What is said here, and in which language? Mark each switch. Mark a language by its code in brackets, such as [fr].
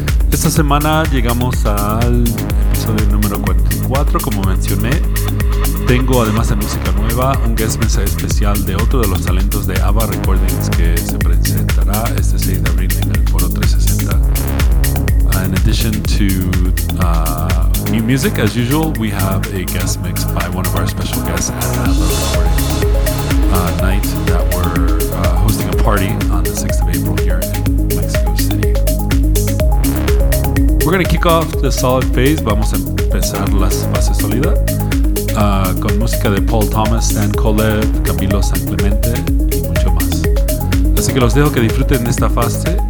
[es] Esta semana llegamos al episodio número 44, como mencioné. Tengo, además de música nueva, un guest mix especial de otro de los talentos de ABBA Recordings que se presentará este 6 de abril en el Foro 360. [en] In addition to new music, as usual, we have a guest mix by one of our special guests at the ABBA Recording night that we're hosting a party on the 6th of April here in Mexico City. We're going to kick off the solid phase. [es] Vamos a empezar las fases sólidas con música de Paul Thomas, Stan Kolev, Camilo Sanclemente y mucho más. Así que los dejo que disfruten de esta fase.